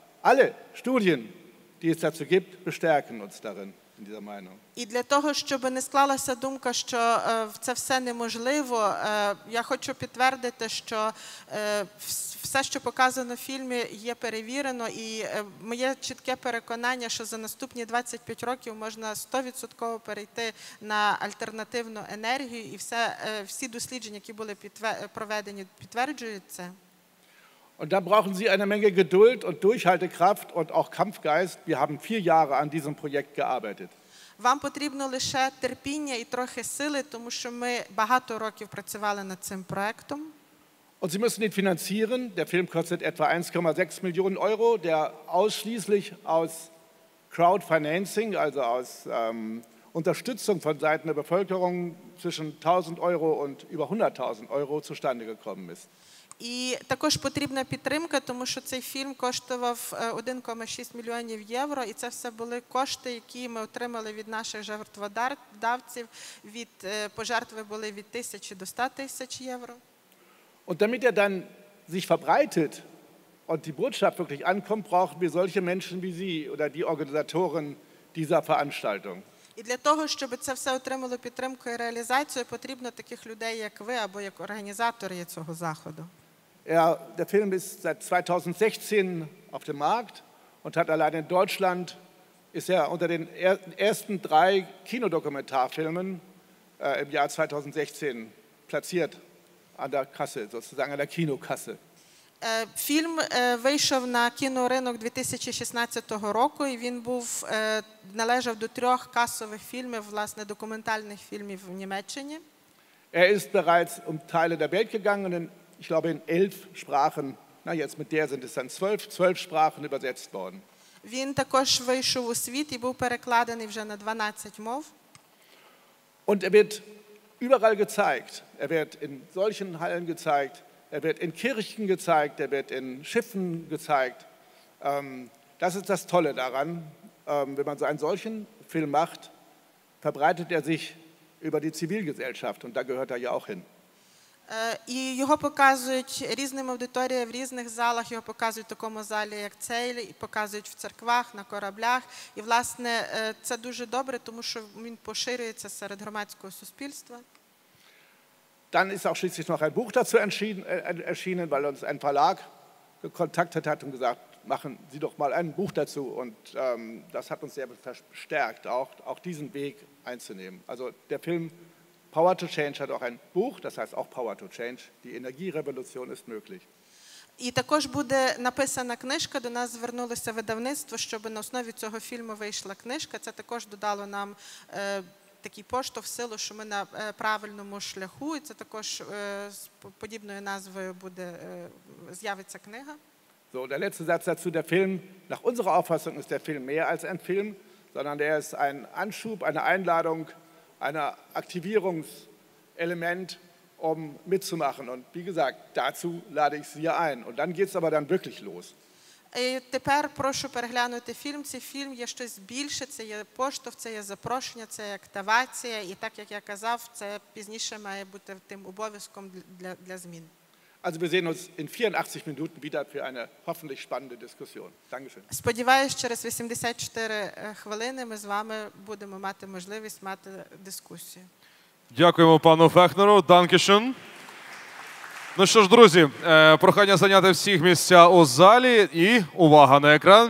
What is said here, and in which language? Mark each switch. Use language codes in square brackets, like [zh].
[de] Alle Studien, die es dazu gibt, bestärken uns darin. [uk] І для того, щоб не склалася думка, що це все неможливо, я хочу підтвердити, що все, що показано в фільмі, є перевірено. І моє чітке переконання, що за наступні 25 років можна 100% перейти на альтернативну енергію. І всі дослідження, які були проведені, підтверджують це. [de] Und da brauchen Sie eine Menge Geduld und Durchhaltekraft und auch Kampfgeist. Wir haben 4 Jahre an diesem Projekt gearbeitet. [uk] Вам потрібно лише терпіння і трохи сили, тому що ми багато років працювали над цим проектом. [de] Und Sie müssen ihn finanzieren. Der Film kostet etwa 1,6 Millionen Euro, der ausschließlich aus Crowdfinancing, also aus Unterstützung von Seiten der Bevölkerung zwischen 1.000 Euro und über 100.000 Euro zustande gekommen ist. [uk] І також потрібна підтримка, тому що цей фільм коштував 1,6 мільйонів євро, і це все були кошти, які ми отримали від наших жертводавців, від пожертви були від 1000 до 100 тисяч євро. [de] Und damit dann sich verbreitet und die Botschaft wirklich ankommt, brauchen wir solche Menschen wie Sie oder die Organisatoren dieser Veranstaltung. [uk] І для того, щоб це все отримало підтримку і реалізацію, потрібно таких людей, як ви, або як організатори цього заходу. [de] Ja, der Film ist seit 2016 auf dem Markt und hat allein in Deutschland, ist er unter den ersten 3 Kinodokumentarfilmen im Jahr 2016 platziert an der Kasse, sozusagen an der Kinokasse. [uk] Фільм вийшов на кіноринок 2016 року, і він був належав до 3 касових фільмів, власне, документальних фільмів в Німеччині. [de] Er ist bereits um Teile der Welt gegangen, und ich glaube in 11 Sprachen, na jetzt mit der sind es dann 12 Sprachen übersetzt worden. [uk] Він також вийшов у світ і був перекладений вже на 12 мов. [de] Und er wird überall gezeigt. Er wird in solchen Hallen gezeigt. Er wird in Kirchen gezeigt, er wird in Schiffen gezeigt. Das ist das Tolle daran. Wenn man so einen solchen Film macht, verbreitet er sich über die Zivilgesellschaft und da gehört er ja auch hin. [uk] І його показують різним аудиторіям в різних залах, його показують в такому залі, як цей, і показують в церквах, на кораблях. І, власне, це дуже добре, тому що він поширюється серед громадського суспільства. [de] Dann ist auch schließlich noch ein Buch dazu erschienen, weil uns ein Verlag gekontaktet hat und gesagt, machen Sie doch mal ein Buch dazu. Und das hat uns sehr verstärkt, auch diesen Weg einzunehmen. Also der Film Power to Change hat auch ein Buch, das heißt auch Power to Change. Die Energierevolution ist möglich. [uk] І також буде написана книжка, до нас звернулося видавництво, щоб на основі цього фільму вийшла книжка. Це також додало нам такий поштовх, силу, що ми на правильному шляху, і це також з подібною назвою буде з'явиться книга. [de] So, der letzte Satz dazu, der Film, nach unserer Auffassung ist der Film mehr als ein Film, sondern er ist ein Anschub, eine Einladung, ein Aktivierungselement, um mitzumachen. Und wie gesagt, dazu lade ich Sie ein. Und dann geht es aber dann wirklich los. [uk] І тепер прошу переглянути фільм. Цей фільм є щось більше, це є поштовх, це є запрошення, це є активація. І так, як я казав, це пізніше має бути тим обов'язком для змін. [de] Also wir sehen uns in 84 Minuten wieder für eine hoffentlich spannende Diskussion. Dankeschön. [uk] Сподіваюсь, через 84 хвилини ми з вами будемо мати можливість мати дискусію. Дякуємо пану Фехнеру. [de] Dankeschön. [uk] Ну що ж, друзі, прохання зайняти всіх місця у залі і увага на екран.